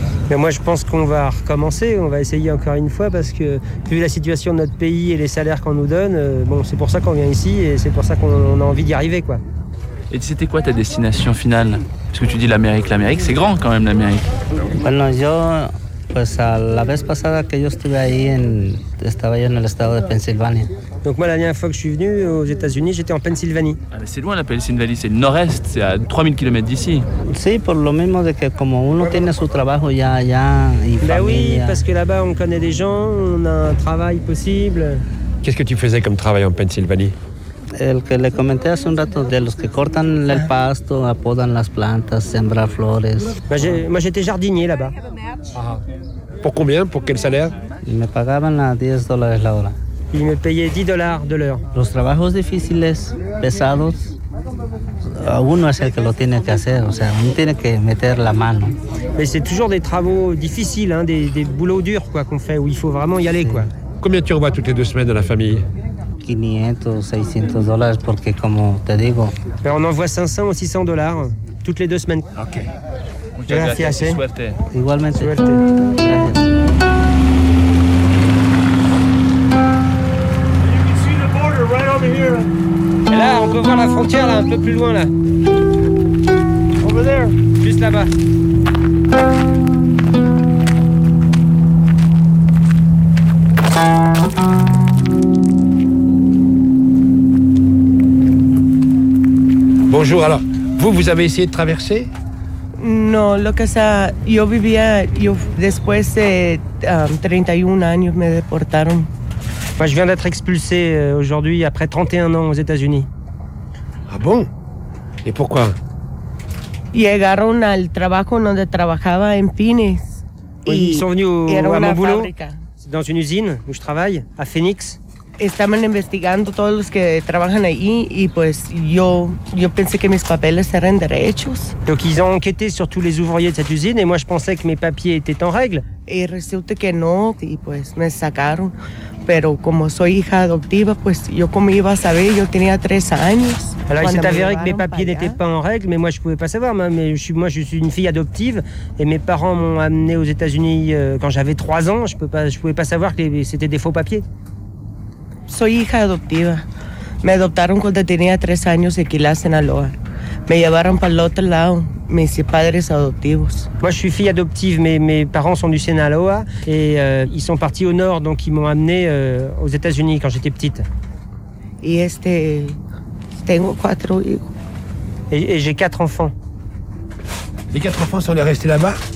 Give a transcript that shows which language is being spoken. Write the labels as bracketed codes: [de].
[fr] Mais moi, je pense qu'on va recommencer, on va essayer encore une fois, parce que vu la situation de notre pays et les salaires qu'on nous donne, bon, c'est pour ça qu'on vient ici et c'est pour ça qu'on a envie d'y arriver, quoi. Et c'était quoi ta destination finale? Parce que tu dis l'Amérique, c'est grand quand même l'Amérique. [es] Bueno, yo, pues a la vez pasada que yo estuve ahí, estaba yo en el estado de Pennsylvania. [fr] Donc moi, la dernière fois que je suis venu aux États-Unis, j'étais en Pennsylvanie. Ah, mais c'est loin la Pennsylvanie, c'est le nord-est, c'est à 3000 km d'ici. [es] Sí, por lo mismo de que como uno tiene su trabajo ya allá y familia. [fr] Bah oui, parce que là-bas, on connaît des gens, on a un travail possible. Qu'est-ce que tu faisais comme travail en Pennsylvanie? [es] El que le comenté hace un rato, de los que cortan el pasto, apodan las plantas, sembrar flores. [fr] Moi, j'étais jardinier là-bas. Ah. Pour combien? Pour quel salaire? Ils [es] me pagaban a 10 dólares la hora. [fr] Ils me payaient 10 dólares de l'heure. [es] Los trabajos difíciles, pesados, uno es el que lo tiene que hacer, o sea, uno tiene que meter la mano. [fr] Mais c'est toujours des travaux difficiles, hein, des boulots durs quoi, qu'on fait, où il faut vraiment y aller. Quoi. Combien tu envoies toutes les deux semaines à la famille? [es] 500, 600 dólares, porque como te digo. [fr] Mais on envoie 500 ou 600 dólares toutes les deux semaines. Ok. [es] Muchas gracias. Gracias. Suerte. Igualmente. Suerte. Gracias. [fr] Et là, on peut voir la frontière là, un peu plus loin là. [en] Over there. [fr] Juste là-bas. Bonjour, alors, vous avez essayé de traverser? [es] Non, lo que sea, yo vivía, yo después de 31 años me deportaron. [fr] Moi, je viens d'être expulsé aujourd'hui, après 31 ans, aux États-Unis. Ah bon? Et pourquoi? [es] Llegaron al trabajo donde trabajaba en Phoenix. [fr] Oui, ils sont venus à mon boulot, dans une usine où je travaille, à Phoenix. [es] Estaban investigando todos los que trabajan ahí y pues yo pensé que mis papeles eran derechos. [fr] Donc ils ont enquêté sur tous les ouvriers de cette usine et moi je pensais que mes papiers étaient en règle. [es] Y resulta que no y pues me sacaron. Pero como soy hija adoptiva, pues yo como iba a saber, yo tenía 3 años. [fr] Alors il s'est avéré que mes papiers n'étaient pas en règle, mais moi je pouvais pas savoir. Moi je suis une fille adoptive et mes parents m'ont amené aux États-Unis quand j'avais 3 ans. Je pouvais pas savoir que c'était des faux papiers. [es] Soy hija adoptiva. Me adoptaron cuando tenía 3 años aquí en Sinaloa. Me llevaron para el otro lado, mis padres adoptivos. [fr] Moi, je suis fille adoptive, mais mes parents sont du Sinaloa et ils sont partis au nord, donc ils m'ont amené aux États-Unis quand j'étais petite. [es] Y tengo 4 hijos. [fr] Et j'ai 4 enfants. Les 4 enfants sont allés rester là-bas?